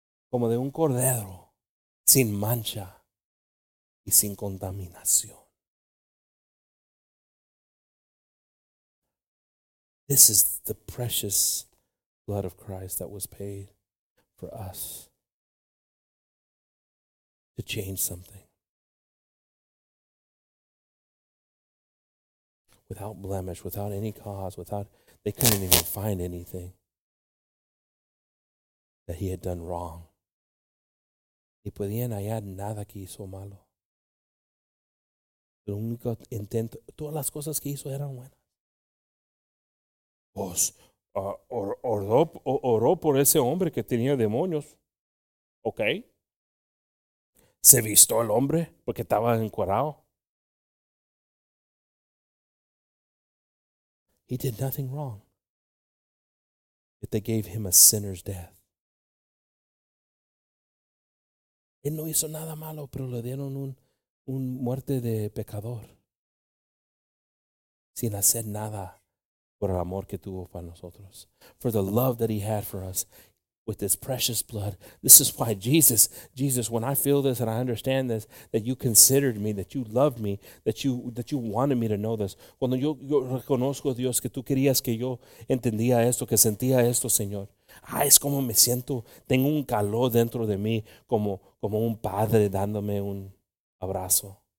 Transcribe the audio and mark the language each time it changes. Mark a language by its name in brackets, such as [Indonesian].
[Spanish] Como de un cordero, sin mancha y sin contaminación. [English] This is the precious blood of Christ that was paid for us to change something. without blemish, without any cause, without, they couldn't even find anything that he had done wrong. [Spanish] Y podían hallar nada que hizo malo. El único intento, todas las cosas que hizo eran buenas. Pues, oró por ese hombre que tenía demonios. Ok. Se vistió el hombre porque estaba encuerado. [English] He did nothing wrong. Yet they gave him a sinner's death. [Spanish] Él no hizo nada malo, pero le dieron un muerte de pecador. Sin hacer nada por el amor que tuvo para nosotros. [English] For the love that he had for us with his precious blood. This is why Jesus, when I feel this and I understand this, that you considered me, that you loved me, that you wanted me to know this. [Spanish] Cuando yo reconozco, Dios, que tú querías que yo entendía esto, que sentía esto, Señor. Ah, es como me siento, tengo un calor dentro de mí, como un padre dándome un abrazo.